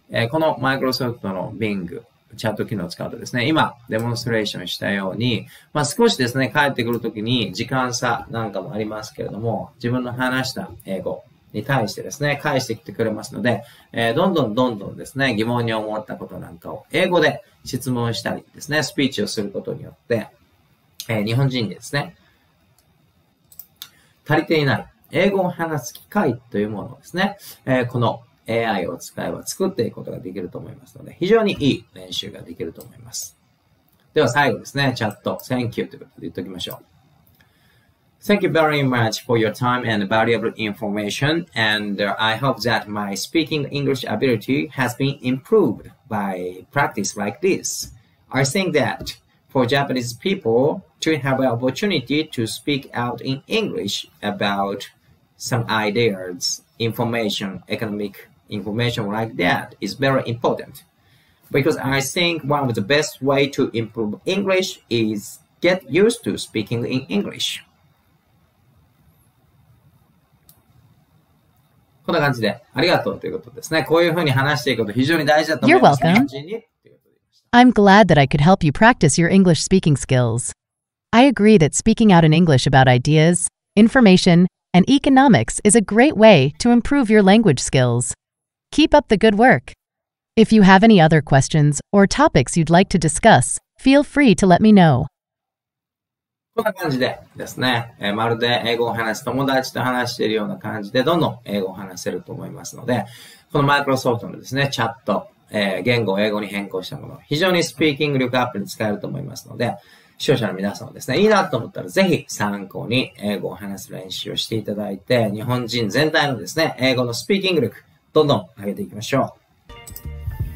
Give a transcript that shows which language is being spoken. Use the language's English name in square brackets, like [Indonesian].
[Japanese] このマイクロソフトの Bing、チャット機能を使うとですね、今、デモンストレーションしたように、まあ、少しですね、帰ってくるときに時間差なんかもありますけれども、自分の話した英語、に対してですね、返してきてくれますので、どんどんどんどんですね、疑問に思ったことなんかを英語で質問したりですね、スピーチをすることによって、日本人にですね、足りていない英語を話す機会というものをですね、この AI を使えば作っていくことができると思いますので、非常にいい練習ができると思います。では最後ですね、チャット、Thank you ということで言っておきましょう。 [English] Thank you very much for your time and valuable information. And I hope that my speaking English ability has been improved by practice like this. I think that for Japanese people to have an opportunity to speak out in English about some ideas, information, economic information like that is very important. Because I think one of the best way to improve English is get used to speaking in English. [Japanese] こんな感じでありがとうということですね。こういうふうに話していくこと非常に大事だと思います。 [English] You're welcome. I'm glad that I could help you practice your English speaking skills. I agree that speaking out in English about ideas, information, and economics is a great way to improve your language skills. Keep up the good work. If you have any other questions or topics you'd like to discuss, feel free to let me know. [Japanese] こんな感じでですね、まるで英語を話す友達と話しているような感じで、どんどん英語を話せると思いますので、このマイクロソフトのですね、チャット、言語を英語に変更したもの、非常にスピーキング力アップに使えると思いますので、視聴者の皆さんもですね、いいなと思ったらぜひ参考に英語を話す練習をしていただいて、日本人全体のですね、英語のスピーキング力、どんどん上げていきましょう。